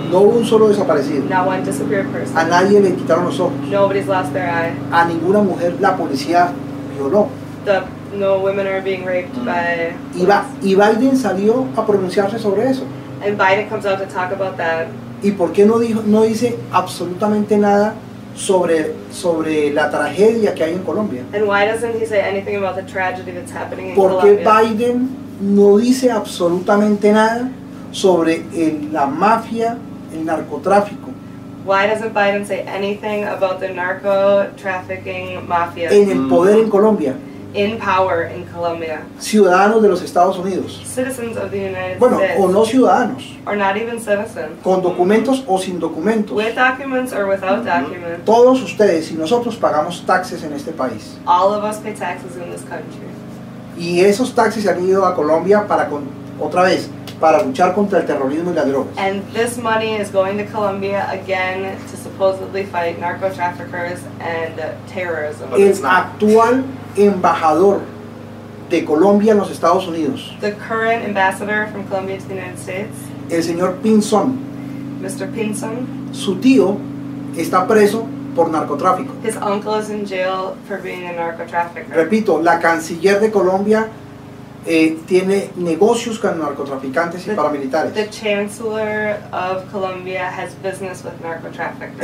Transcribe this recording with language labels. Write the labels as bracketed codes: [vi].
[es] No hubo un solo desaparecido. [en] Not one disappeared person. [es] A nadie le quitaron los ojos. [en] Nobody's lost their eye. [es] A ninguna mujer la policía violó. [en] No women are being raped by. [es] Y Biden salió a pronunciarse sobre eso. [en] And Biden comes out to talk about that. [es] ¿Y por qué no dice absolutamente nada sobre la tragedia que hay en Colombia? [en] And why doesn't he say anything about the tragedy that's happening in Colombia? [es] qué Biden no dice absolutamente nada sobre la mafia, el narcotráfico? [en] Why doesn't Biden say anything about the narco trafficking mafia? [es] En el poder en Colombia. [en] in power in Colombia. [es] Ciudadanos de los Estados Unidos. [en] Citizens of the United [es] bueno, [en] States. [es] Bueno, o no ciudadanos. [en] Or not even citizens. [es] Con documentos o sin documentos. [en] With documents or without documents. [es] Todos ustedes y nosotros pagamos taxes en este país. [en] All of us pay taxes in this country. [es] Y esos taxes se han ido a Colombia para con, otra vez, para luchar contra el terrorismo y las drogas. [en] And this money is going to Colombia again to supposedly fight narco traffickers and terrorism. [es] But el actual embajador de Colombia en los Estados Unidos. [en] The current ambassador from Colombia to the United States. [es] El señor Pinzón. [en] Mr. Pinzón. [es] Su tío está preso por narcotráfico. [en] His uncle is in jail for being a narco trafficker. [es] Repito, la canciller de Colombia tiene negocios con narcotraficantes y paramilitares. [en] The chancellor of Colombia has business with narcotraffickers.